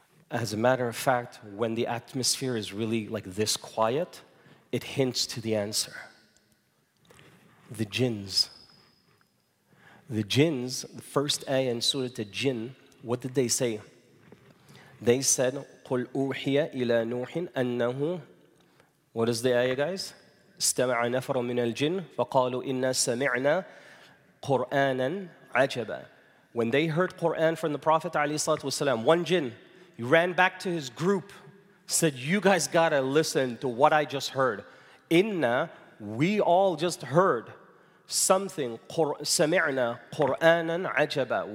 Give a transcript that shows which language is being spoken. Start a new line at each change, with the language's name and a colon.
English: As a matter of fact, when the atmosphere is really like this quiet, it hints to the answer. The jinns. The jinns, the first ayah in Surah Al-Jinn, what did they say? They said,
Arabic: قُلْ أُوحِيَ إِلَى نُوحٍ أَنَّهُ.
English: What is the ayah, guys?
Arabic: استمعوا نفر من الجن فقالوا إن سمعنا قرآنا عجبا.
English: When they heard Quran from the Prophet ﷺ, one jinn, he ran back to his group, said, "You guys gotta listen to what I just heard. Inna, we all just heard something.
Arabic: سمعنا قرآنا عجبا.